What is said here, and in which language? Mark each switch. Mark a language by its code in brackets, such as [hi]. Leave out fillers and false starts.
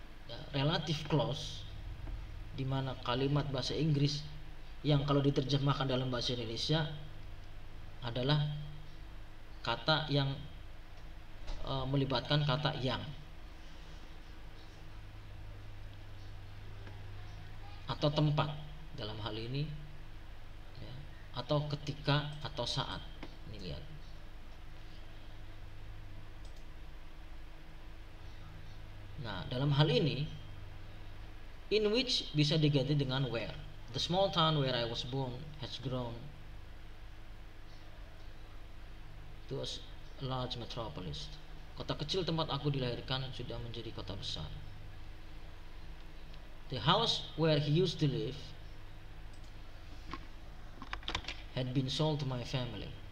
[id] ya, relative clause, di mana kalimat bahasa Inggris yang kalau diterjemahkan dalam bahasa Indonesia adalah kata yang melibatkan kata yang, atau tempat dalam hal ini ya, atau ketika atau saat. Ini lihat, nah dalam hal ini in which bisa diganti dengan where. [en] The small town where I was born has grown to a large metropolis. [id] Kota kecil tempat aku dilahirkan sudah menjadi kota besar. [en] The house where he used to live had been sold to my family.